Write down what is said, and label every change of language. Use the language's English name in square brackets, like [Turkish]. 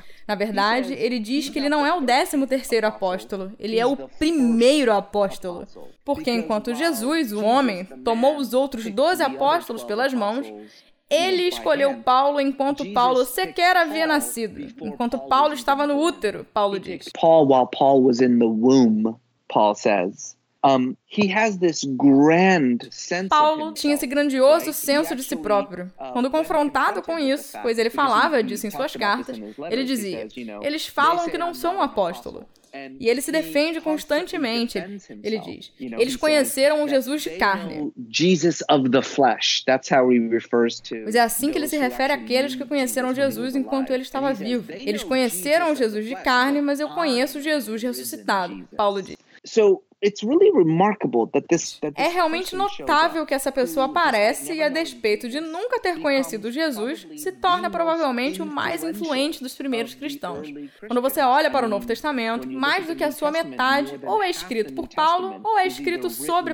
[Portuguese] Na verdade, ele diz que ele não é o 13º apóstolo, ele é o primeiro apóstolo. Porque enquanto Jesus, o homem, tomou os outros 12 apóstolos pelas mãos, ele escolheu Paulo enquanto Paulo sequer havia nascido. Enquanto Paulo estava no útero, Paulo diz. [English] Paul, while Paul was in the womb, Paul says. He has this grand sense [Portuguese] Paulo tinha esse grandioso senso de si próprio. Quando confrontado com isso, pois ele falava disso em suas cartas, ele dizia, eles falam que não sou um apóstolo. E ele se defende constantemente, ele diz. Eles conheceram o Jesus de carne. [English] Jesus of the flesh, that's how he refers to. [Portuguese] Mas é assim que ele se refere àqueles que conheceram Jesus enquanto ele estava vivo. Eles conheceram o Jesus de carne, mas eu conheço Jesus ressuscitado, Paulo diz. [English] So, it's really remarkable that this, [Portuguese] é realmente notável que essa pessoa aparece e, a despeito de nunca ter conhecido Jesus, se torna provavelmente o mais influente dos primeiros cristãos. Quando você olha para o Novo Testamento, mais do que a sua metade, ou é escrito por Paulo, ou é escrito sobre